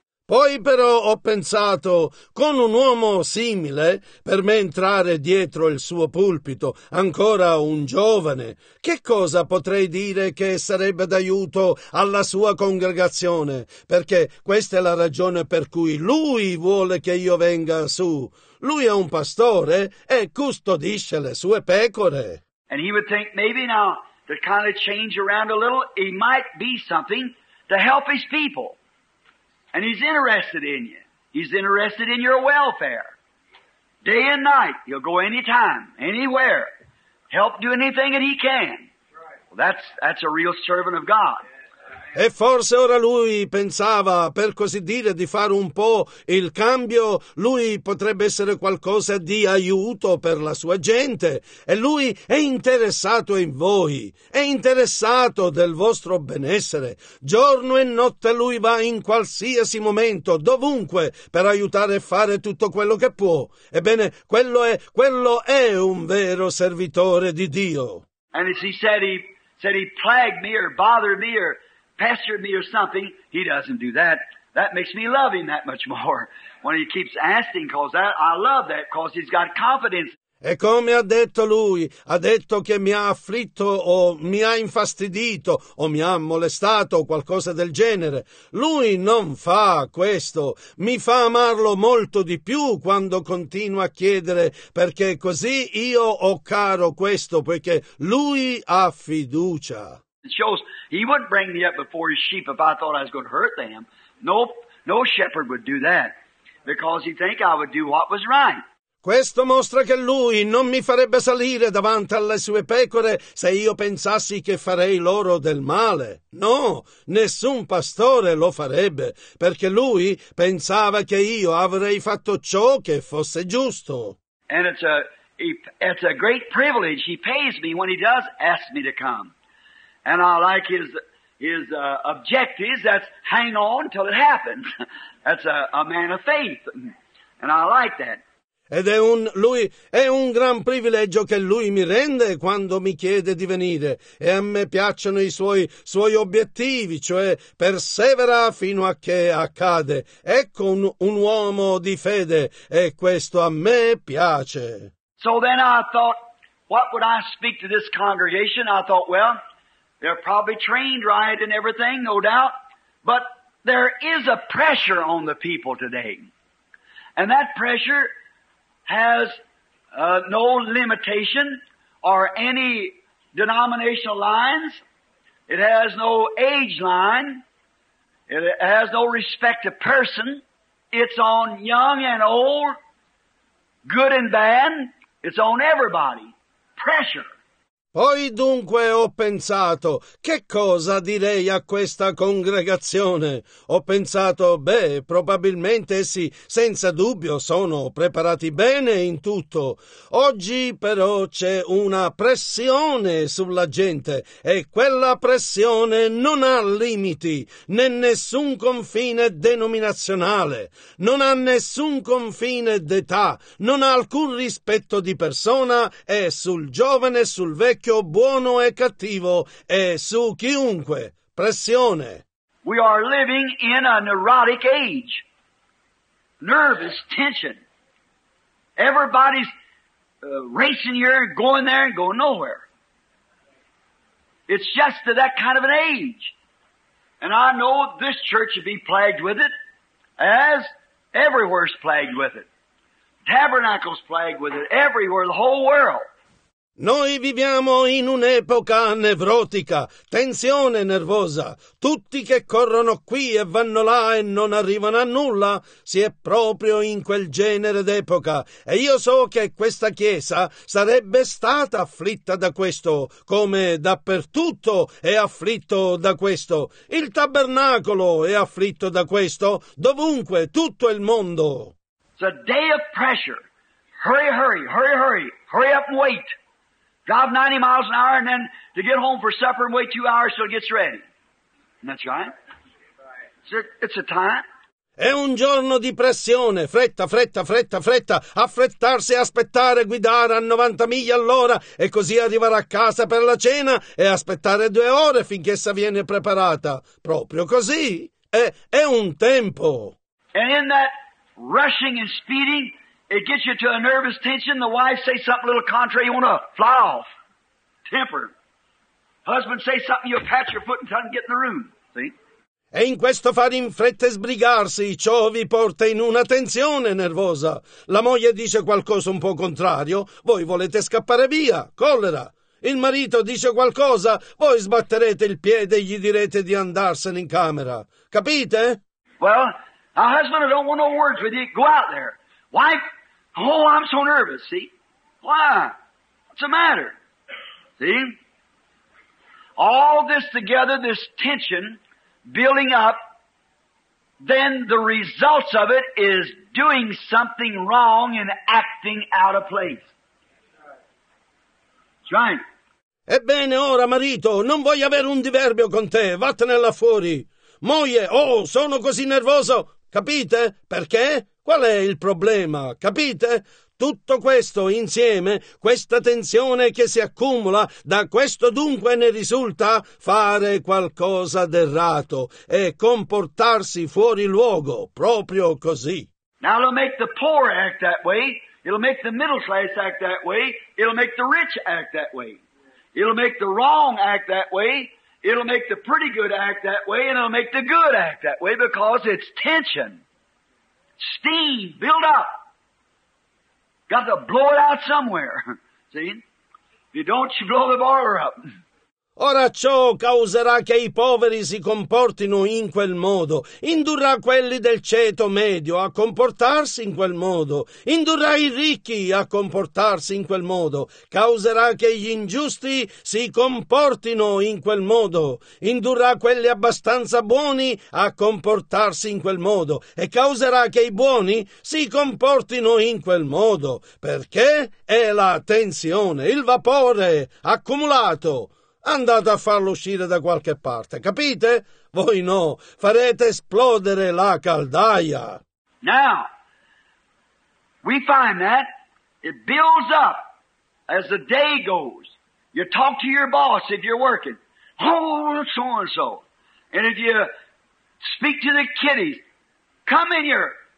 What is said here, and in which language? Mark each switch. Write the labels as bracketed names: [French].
[Italian] Poi però ho pensato, con un uomo simile, per me entrare dietro il suo pulpito, ancora un giovane, che cosa potrei dire che sarebbe d'aiuto alla sua congregazione? Perché questa è la ragione per cui lui vuole che io venga su. Lui è un pastore e custodisce le sue pecore. [English] And he would think maybe now to kind of change around a little, he might be something to help his people. And he's interested in you. He's interested in your welfare. Day and night, he'll go anytime, anywhere, help do anything that he can. Well, that's a real servant of God. [Italian] E forse ora lui pensava, per così dire, di fare un po' il cambio, lui potrebbe essere qualcosa di aiuto per la sua gente. E lui è interessato in voi, è interessato del vostro benessere. Giorno e notte lui va in qualsiasi momento, dovunque, per aiutare e fare tutto quello che può. Ebbene, quello è un vero servitore di Dio. [English] And as he said he plagued me or bothered me or pestered me or something, he doesn't do that. That makes me love him that much more when he keeps asking, because that I love that because he's got confidence. [Italian] E come ha detto lui, ha detto che mi ha afflitto o mi ha infastidito o mi ha molestato o qualcosa del genere. Lui non fa questo, mi fa amarlo molto di più quando continua a chiedere, perché così io ho caro questo, perché lui ha fiducia. [English] It shows he wouldn't bring me up before his sheep if I thought I was going to hurt them. No shepherd would do that because he'd think I would do what was right. [Italian] Questo mostra che lui non mi farebbe salire davanti alle sue pecore se io pensassi che farei loro del male. No, nessun pastore lo farebbe, perché lui pensava che io avrei fatto ciò che fosse giusto. [English] And it's a great privilege he pays me when he does ask me to come. And I like his objectives, that's hang on till it happens. That's a man of faith, and I like that. [Italian] Ed è un gran privilegio che lui mi rende quando mi chiede di venire, e a me piacciono i suoi obiettivi, cioè persevera fino a che accade. Ecco un uomo di fede, e questo a me piace. [English] So then I thought, what would I speak to this congregation? I thought, well, they're probably trained right and everything, no doubt, but there is a pressure on the people today. And that pressure has no limitation or any denominational lines. It has no age line. It has no respect of person. It's on young and old, good and bad. It's on everybody. Pressure. [Italian] Poi dunque ho pensato, che cosa direi a questa congregazione? Ho pensato, beh, probabilmente sì, senza dubbio sono preparati bene in tutto. Oggi però c'è una pressione sulla gente e quella pressione non ha limiti, né nessun confine denominazionale, non ha nessun confine d'età, non ha alcun rispetto di persona e sul giovane, sul vecchio, buono e cattivo, e su chiunque. Pressione. [English] We are living in a neurotic age. Nervous tension. Everybody's racing here, going there and going nowhere. It's just to that kind of an age. And I know this church would be plagued with it, as everywhere's plagued with it. Tabernacle's plagued with it, everywhere, the whole world. [Italian] Noi viviamo in un'epoca nevrotica, tensione nervosa. Tutti che corrono qui e vanno là e non arrivano a nulla, si è proprio in quel genere d'epoca. E io so che questa Chiesa sarebbe stata afflitta da questo, come dappertutto è afflitto da questo. Il tabernacolo è afflitto da questo, dovunque, tutto il mondo. [English] It's a day of pressure. Hurry, hurry, hurry, hurry, hurry up and wait. Drive 90 miles an hour and then to get home for supper and wait 2 hours till it gets ready. And that's right. It's a time. [Italian] È un giorno di pressione, fretta, fretta, fretta, fretta, affrettarsi, aspettare, guidare a 90 miglia all'ora e così arrivare a casa per la cena e aspettare 2 ore finché essa viene preparata. Proprio così. È un tempo. [English] And in that rushing and speeding, it gets you to a nervous tension. The wife says something a little contrary, you want to fly off. Temper. Husband says something, you pat your foot and tell him to get in the room. See? [Italian] E in questo fare in fretta e sbrigarsi, ciò vi porta in una tensione nervosa. La moglie dice qualcosa un po' contrario, voi volete scappare via. Collera. Il marito dice qualcosa, voi sbatterete il piede e gli direte di andarsene in camera. Capite? [English] Well, my husband, I don't want no words with you. Go out there. Wife, oh, I'm so nervous, see? Why? What's the matter? See? All this together, this tension building up, then the results of it is doing something wrong and acting out of place. That's right. [Italian] Ebbene, ora, marito, non voglio avere un diverbio con te. Vattene là fuori. Moglie, oh, sono così nervoso. Capite? Perché? Qual è il problema? Capite? Tutto questo insieme, questa tensione che si accumula, da questo dunque ne risulta fare qualcosa d'errato e comportarsi fuori luogo, proprio così. [English] Now it'll make the poor act that way, it'll make the middle class act that way, it'll make the rich act that way, it'll make the wrong act that way, it'll make the pretty good act that way, and it'll make the good act that way, because it's tension. Steam, build up. Got to blow it out somewhere. See? If you don't, you blow the boiler up. [Italian] Ora ciò causerà che i poveri si comportino in quel modo, indurrà quelli del ceto medio a comportarsi in quel modo, indurrà i ricchi a comportarsi in quel modo, causerà che gli ingiusti si comportino in quel modo, indurrà quelli abbastanza buoni a comportarsi in quel modo e causerà che i buoni si comportino in quel modo, perché è la tensione, il vapore accumulato. Andate a farlo uscire da qualche parte, capite? Voi no, farete esplodere la caldaia. [English] Now, we find that it builds up as the day goes. You talk to your boss if you're working. Oh, so and so. And if you speak to the kiddies, come in here.